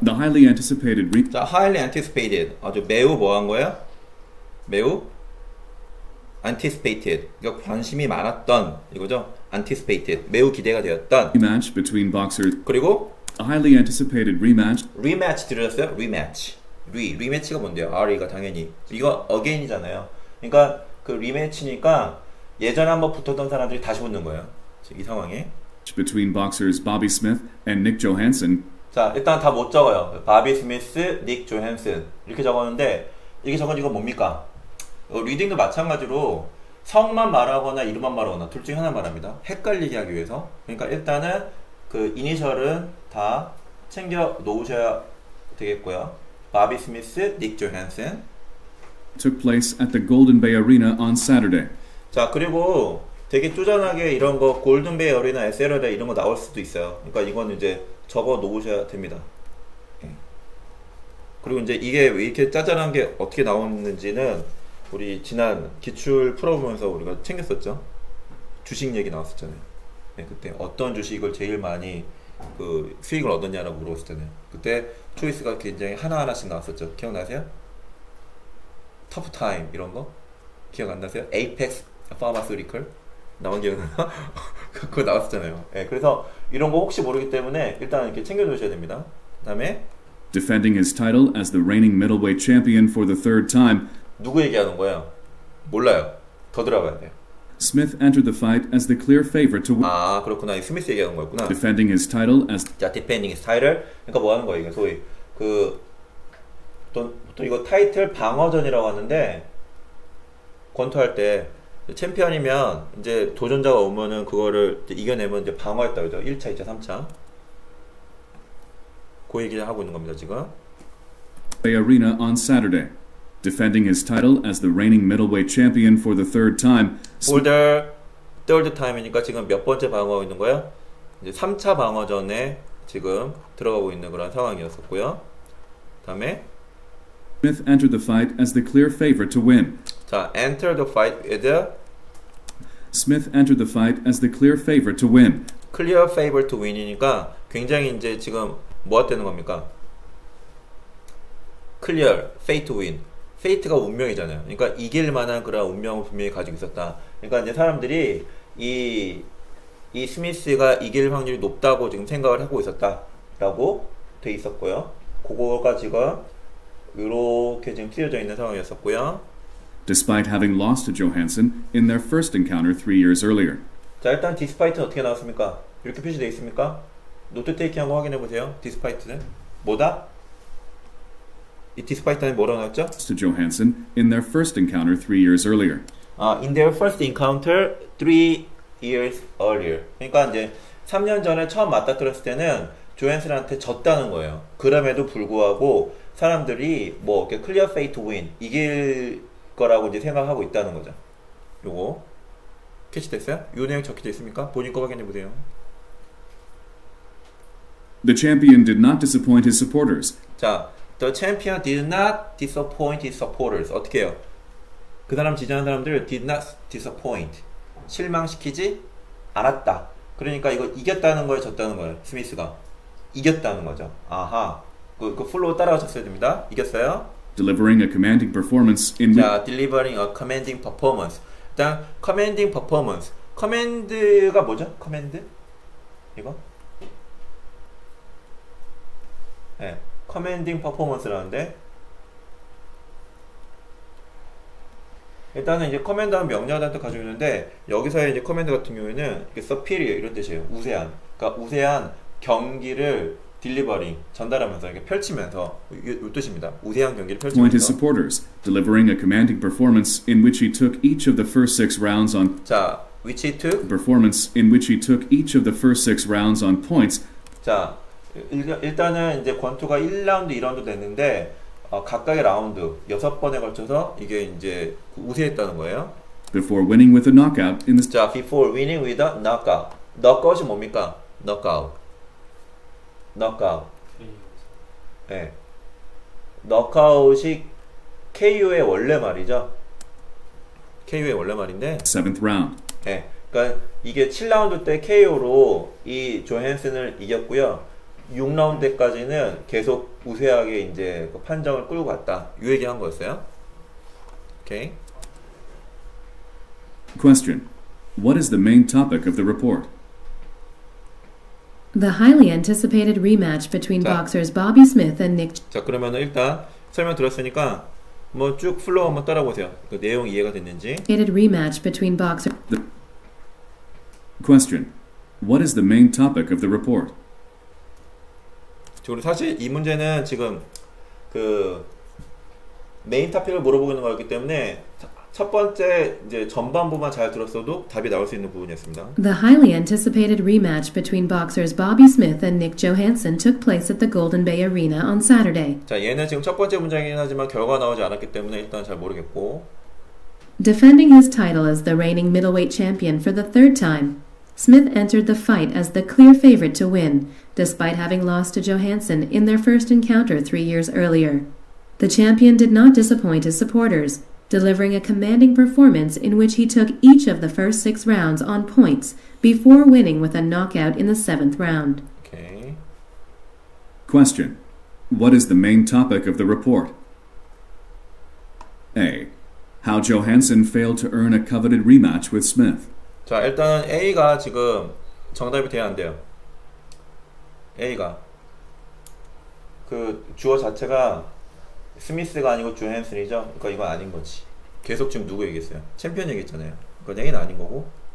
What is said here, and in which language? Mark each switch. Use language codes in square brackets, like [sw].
[en] The highly anticipated re- 자, highly anticipated. [ko] 아주 매우 뭐한 거야? 매우 anticipated. 이거 관심이 많았던 이거죠? Anticipated. 매우 기대가 되었던 [en] rematch between boxers. [ko] 그리고 [en] a highly anticipated rematch. [ko] Rematch 들으셨어요? Rematch. Rematch가 뭔데요? RE가 당연히. 이거 again이잖아요. 그러니까 그 rematch니까 예전에 한번 붙었던 사람들이 다시 붙는 거예요. 이 상황에. [en] Between boxers Bobby Smith and Nick Johansson. [ko] 자, 일단 다 못 적어요. Bobby Smith, Nick Johansson 이렇게 적었는데 이게 적은 이거 뭡니까? 리딩도 마찬가지로 성만 말하거나 이름만 말하거나 둘 중에 하나 말합니다. 헷갈리게 하기 위해서. 그러니까 일단은 그 이니셜은 다 챙겨 놓으셔야 되겠고요. [en] Bobby Smith, Nick Johansson took place at the Golden Bay Arena on Saturday. [ko] 자, 그리고 되게 쪼잔하게 이런 거 골든베어리나 SLR에 이런 거 나올 수도 있어요. 그러니까 이건 이제 적어 놓으셔야 됩니다. 그리고 이제 이게 왜 이렇게 짜잔한 게 어떻게 나왔는지는 우리 지난 기출 풀어보면서 우리가 챙겼었죠. 주식 얘기 나왔었잖아요. 네, 그때 어떤 주식을 제일 많이 그 수익을 얻었냐라고 물어봤었잖아요. 그때 초이스가 굉장히 하나하나씩 나왔었죠. 기억나세요? 터프타임 이런 거? 기억 안 나세요? 에이펙스 파마스리컬? 나온 기억나? 그거 나왔었잖아요. 예, 네, 그래서 이런 거 혹시 모르기 때문에 일단 이렇게 챙겨주셔야 됩니다. 그다음에 [en] defending his title as the reigning middleweight champion for the third time. [ko] 누구 얘기하는 거예요? 몰라요. 더 들어봐야 돼요. [en] Smith entered the fight as the clear favorite to win. [ko] 아, 그렇구나. 스미스 얘기하는 거였구나. [en] Defending his title as. 자, defending his title. [ko] 그러니까 뭐 하는 거예요? 이게 소위 그 또 이거 타이틀 방어전이라고 하는데 권투할 때. 챔피언이면 이제 도전자가 오면은 그거를 이제 이겨내면 이제 방어했다 그죠? 1차, 2차, 3차 그 얘기를 하고 있는 겁니다 지금. [en] Bay Arena on Saturday, defending his title as the reigning middleweight champion for the third time. [ko] Holder, third time이니까 지금 몇 번째 방어하고 있는 거야? 이제 3차 방어전에 지금 들어가고 있는 그런 상황이었었고요. 다음에 [en] Smith entered the fight as the clear favorite to win. 자, enter the fight with Smith entered the fight as the clear favorite to win. Clear favorite to win [ko] 이니까 굉장히 이제 지금 뭐가 되는 겁니까? [en] Clear fate to win. [ko] Fate가 운명이잖아요. 그러니까 이길 만한 그런 운명을 분명히 가지고 있었다. 그러니까 이제 사람들이 이 스미스가 이길 확률이 높다고 지금 생각을 하고 있었다라고 돼 있었고요. 그거가 지금 이렇게 지금 틀어져 있는 상황이었었고요. [en] Despite having lost to Johansson in their first encounter 3 years earlier. [ko] 자, 일단 despite는 어떻게 나왔습니까? 이렇게 표시되어 있습니까? 노트테이킹 한번 확인해 보세요. despite는 뭐다? 이 디스파이트는 뭐라고 나왔죠? [en] To Johansson in their first encounter 3 years earlier. 아, in their first encounter 3 years earlier. [ko] 그러니까 이제 3년 전에 처음 맞닥뜨렸을 때는 조헨슨한테 졌다는 거예요. 그럼에도 불구하고 사람들이 뭐 이렇게 [en] clear fate to win [ko] 이길 거라고 이제 생각하고 있다는 거죠. 요거 캐치 됐어요? 이 내용 적혀져 있습니까? 본인 거 확인해 보세요. [en] The champion did not disappoint his supporters. 자, the champion did not disappoint his supporters. [ko] 어떻게 해요? 그 사람 지지하는 사람들 [en] did not disappoint. [ko] 실망시키지 않았다. 그러니까 이거 이겼다는 거예요, 졌다는 거예요, 스미스가. 이겼다는 거죠. 아하. 그 플로우 따라오셨어야 됩니다. 이겼어요. [en] Delivering a commanding performance in 자, delivering a commanding performance. 일단 commanding performance. [ko] command가 뭐죠? command? 이거? 예. 네, commanding performance라는데 일단은 이제 command는 명령하다는 뜻 가지고 있는데 여기서의 이제 command 같은 경우에는 superior 이런 뜻이에요. 우세한. 그러니까 우세한 경기를 delivering 전달하면서 이렇게 펼치면서 이 뜻입니다. 우세한 경기를 펼치면서 [en] point his supporters delivering a commanding performance in which he took each of the first six rounds on 자, which he took performance in which he took each of the first six rounds on points [ko] 자, 일단은 이제 권투가 1라운드, 2라운드 됐는데 각각의 라운드 6번에 걸쳐서 이게 이제 우세했다는 거예요. [en] Before winning with a knockout in the 자, before winning with a knockout. [ko] knockout이 뭡니까? [en] knockout. knockout. 예. 네. [ko] knockout이 KO의 원래 말이죠. KO의 원래 말인데. [en] 7th round. [ko] 예. 네. 그러니까 이게 7라운드 때 KO로 이 조헨슨을 이겼고요. 6라운드까지는 계속 우세하게 이제 그 판정을 끌고 갔다. 이 얘기 한 거였어요. 오케이. [en] Question. What is the main topic of the report? The highly anticipated rematch between 자, boxers Bobby Smith and Nick. [ko] 자, 그러면은 일단 설명 들었으니까 뭐 쭉 플로우 한번 따라보세요. 그 내용 이해가 됐는지. [en] Anticipated rematch between boxers. Question. What is the main topic of the report? [ko] 지금 사실 이 문제는 지금 그 메인 토픽을 물어보고 있는 거였기 때문에 첫 번째 이제 전반부만 잘 들었어도 답이 나올 수 있는 부분이었습니다. [en] The highly anticipated rematch between boxers Bobby Smith and Nick Johansson took place at the Golden Bay Arena on Saturday. [ko] 자, 얘는 지금 첫 번째 문장이긴 하지만 결과 나오지 않았기 때문에 일단 잘 모르겠고. [en] Defending his title as the reigning middleweight champion for the third time, Smith entered the fight as the clear favorite to win, despite having lost to Johansson in their first encounter 3 years earlier. The champion did not disappoint his supporters, delivering a commanding performance in which he took each of the first six rounds on points before winning with a knockout in the 7th round. Okay. Question. What is the main topic of the report? A. How Johansson failed to earn a coveted rematch with Smith. [ko] 자, 일단 A가 지금 정답이 돼야 안 돼요. A가. 그 주어 자체가 스미스가 아니고 조헨슨이죠? 그러니까 이건 아닌 거지. 계속 지금 누구 얘기했어요? 챔피언 얘기했잖아요. 그러니까 A는 아닌 거고.